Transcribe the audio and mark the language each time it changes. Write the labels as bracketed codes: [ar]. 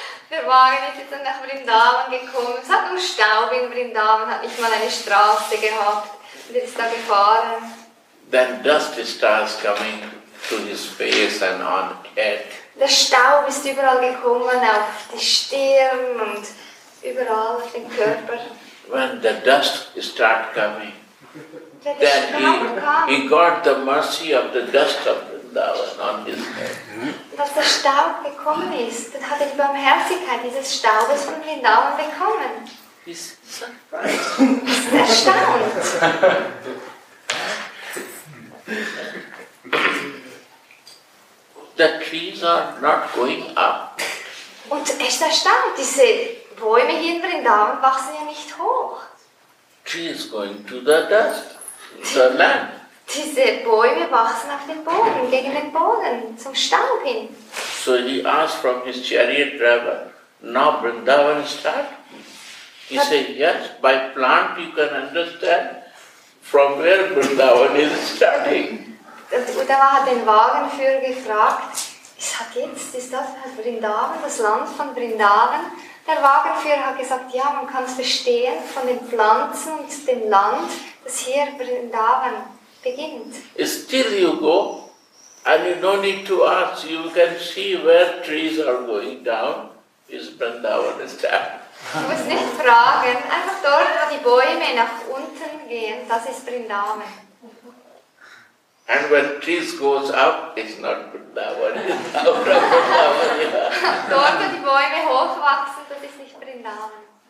[de] Der Wagen ist jetzt nach Vrindavan gekommen. Es hat nur Staub in Vrindavan, hat nicht mal eine Straße gehabt. Und jetzt ist da gefahren. [en] Then dust starts coming to his face and on head. [de] Der Staub ist überall gekommen, auf die Stirn und überall auf den Körper. [en] When the dust start coming, then he got the mercy of the dust of Vrindavan on his head. [de] Als der Staub gekommen ist, dann hat er die Barmherzigkeit dieses Staubes von Vrindavan bekommen. [en] He's surprised. [de] Er ist erstaunt. [en] The trees are not going up. [de] Und echt erstaunt, diese Bäume hier in Vrindavan wachsen ja nicht hoch. [en] Trees going to the dust, the land. [de] Diese Bäume wachsen auf dem Boden, gegen den Boden, zum Staub hin. [en] So he asked from his chariot driver, now Vrindavan start? He said, yes, by plant you can understand. From where Vrindavan is starting. [de] Und er hat den Wagenführer gefragt, ich sage jetzt, ist das Vrindavan, das Land von Vrindavan? Der Wagenführer hat gesagt, ja, man kann es verstehen von den Pflanzen und dem Land, dass hier Vrindavan beginnt. [en] Still you go, and you no need to ask, you can see where trees are going down, is Vrindavan is down. [de] Du musst nicht fragen, einfach dort, wo die Bäume nach unten gehen. gehen, das ist Vrindavan. [en] And when trees goes up, it's not Vrindavan. [de] Dort, wo die Bäume hochwachsen, das ist nicht Vrindavan.